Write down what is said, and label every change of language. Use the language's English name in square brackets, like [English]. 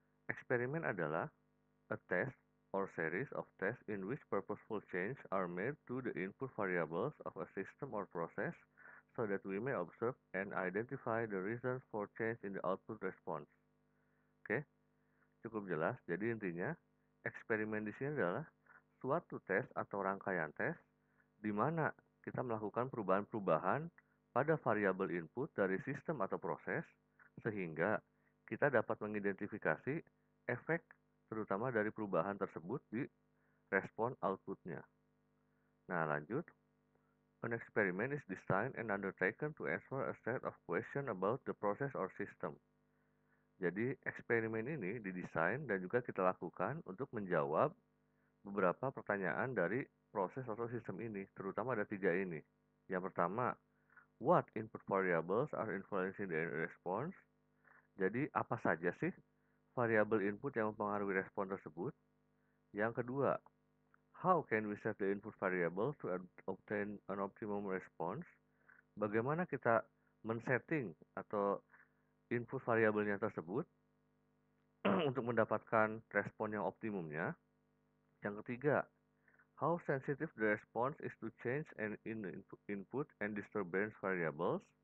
[Indonesian] Eksperimen adalah [English] a test or series of tests in which purposeful changes are made to the input variables of a system or process so that we may observe and identify the reason for change in the output response. [Indonesian] Oke, cukup jelas. Jadi intinya, eksperimen di sini adalah suatu tes atau rangkaian tes di mana kita melakukan perubahan-perubahan pada variabel input dari sistem atau proses sehingga kita dapat mengidentifikasi efek terutama dari perubahan tersebut di respon outputnya. Nah, lanjut. [English] An experiment is designed and undertaken to answer a set of questions about the process or system. [Indonesian] Jadi, eksperimen ini didesain dan juga kita lakukan untuk menjawab beberapa pertanyaan dari proses atau sistem ini, terutama ada tiga ini. Yang pertama, [English] what input variables are influencing the response? [Indonesian] Jadi, apa saja sih variabel input yang mempengaruhi respon tersebut? Yang kedua, [English] how can we set the input variable to obtain an optimum response? [Indonesian] Bagaimana kita men-setting atau input variabelnya tersebut untuk mendapatkan respon yang optimumnya? Yang ketiga, [English] how sensitive the response is to change and in input and disturbance variables?